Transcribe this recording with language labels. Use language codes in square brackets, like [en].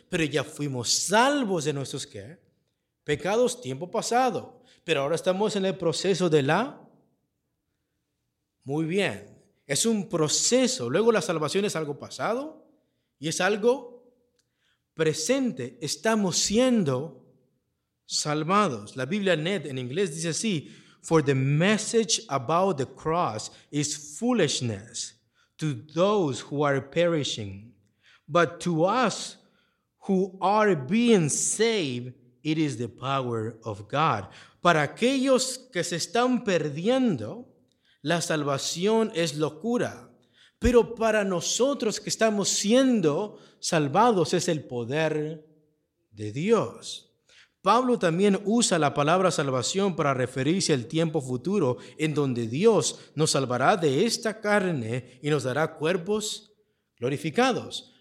[es] Pero ya fuimos salvos de nuestros ¿qué? Pecados tiempo pasado, pero ahora estamos en el proceso de la... Muy bien, es un proceso. Luego la salvación es algo pasado y es algo presente. Estamos siendo salvados. La Biblia NET en inglés dice así: [en] for the message about the cross is foolishness to those who are perishing, but to us who are being saved, it is the power of God. [es] Para aquellos que se están perdiendo, la salvación es locura. Pero para nosotros que estamos siendo salvados, es el poder de Dios. Pablo también usa la palabra salvación para referirse al tiempo futuro, en donde Dios nos salvará de esta carne y nos dará cuerpos glorificados.